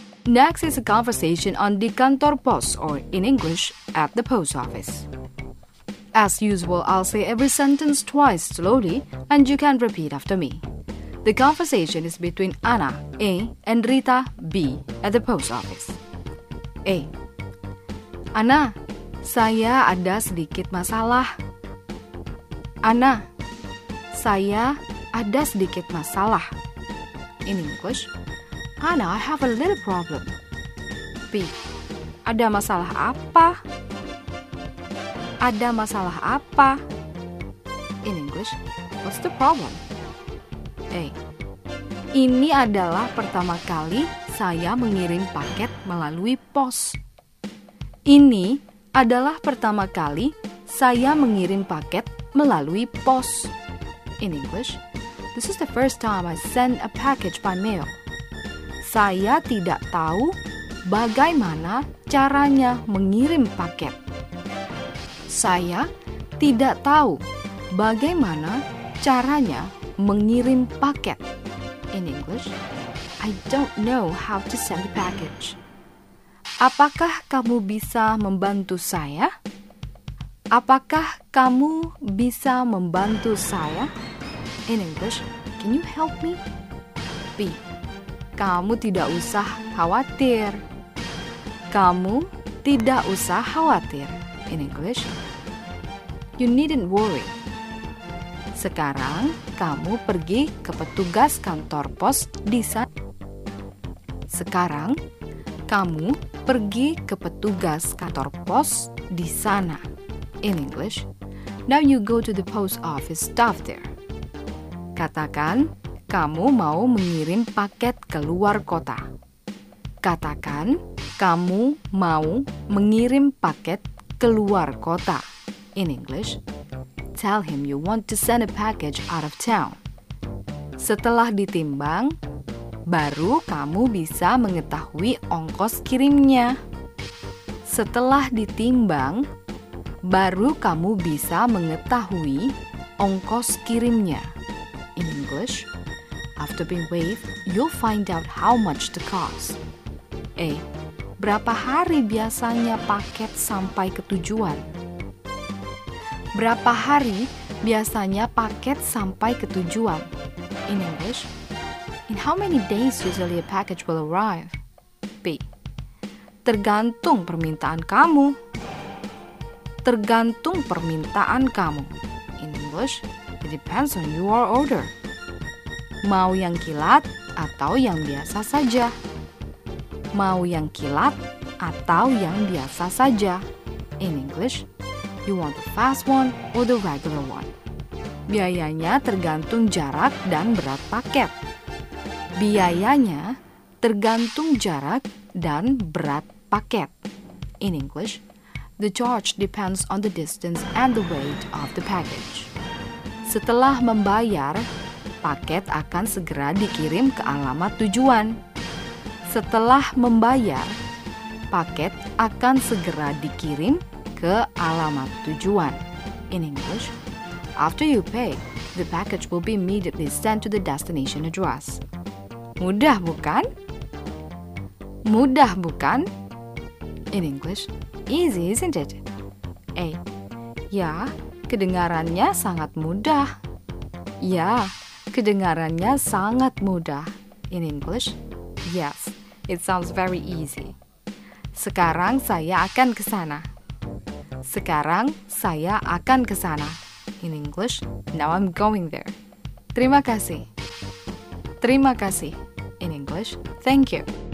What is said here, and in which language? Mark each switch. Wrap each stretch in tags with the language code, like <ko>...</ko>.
<en>Next is a conversation on</en> <id>di kantor pos,</id> <en>or in English, at the post office. As usual, I'll say every sentence twice slowly, and you can repeat after me. The conversation is between Ana, A, and Rita, B, at the post office. A.</en> <id>Ana, saya ada sedikit masalah. Ana, saya ada sedikit masalah.</id> <en>In English, Ana, I have a little problem. B.</en> <id>Ada masalah apa? Ada masalah apa?</id> <en>In English, what's the problem? A.</en> <id>Ini adalah pertama kali saya mengirim paket melalui pos. Ini adalah pertama kali saya mengirim paket melalui pos.</id> <en>In English, this is the first time I send a package by mail.</en> <id>Saya tidak tahu bagaimana caranya mengirim paket. Saya tidak tahu bagaimana caranya mengirim paket.</id> <en>In English, I don't know how to send the package.</en> <id>Apakah kamu bisa membantu saya? Apakah kamu bisa membantu saya?</id> <en>In English, can you help me? B.</en> <id>Kamu tidak usah khawatir. Kamu tidak usah khawatir.</id> <en>In English, you needn't worry.</en> <id>Sekarang kamu pergi ke petugas kantor pos di sana. Sekarang kamu pergi ke petugas kantor pos di sana.</id> <en>In English, now you go to the post office staff there.</en> <id>Katakan kamu mau mengirim paket ke luar kota. Katakan kamu mau mengirim paket ke luar kota.</id> <en>In English, tell him you want to send a package out of town.</en> <id>Setelah ditimbang, baru kamu bisa mengetahui ongkos kirimnya. Setelah ditimbang, baru kamu bisa mengetahui ongkos kirimnya.</id> <en>In English, after being weighed, you'll find out how much the cost. A.</en> <id>Berapa hari biasanya paket sampai ke tujuan? Berapa hari biasanya paket sampai ke tujuan?</id> <en>In English, in how many days usually a package will arrive? B.</en> <id>Tergantung permintaan kamu. Tergantung permintaan kamu.</id> <en>In English, it depends on your order.</en> <id>Mau yang kilat atau yang biasa saja? Mau yang kilat atau yang biasa saja?</id> <en>In English, you want the fast one or the regular one?</en> <id>Biayanya tergantung jarak dan berat paket. Biayanya tergantung jarak dan berat paket.</id> <en>In English, the charge depends on the distance and the weight of the package.</en> <id>Setelah membayar, paket akan segera dikirim ke alamat tujuan. Setelah membayar, paket akan segera dikirim ke alamat tujuan.</id> <en>In English, after you pay, the package will be immediately sent to the destination address.</en> <id>Mudah, bukan? Mudah, bukan?</id> <en>In English, easy, isn't it? A.</en> <id>Ya, kedengarannya sangat mudah. Ya, kedengarannya sangat mudah.</id> <en>In English, yes, it sounds very easy.</en> <id>Sekarang saya akan ke sana. Sekarang saya akan ke sana.</id> <en>In English, now I'm going there.</en> <id>Terima kasih. Terima kasih.</id> <en>In English, thank you.</en>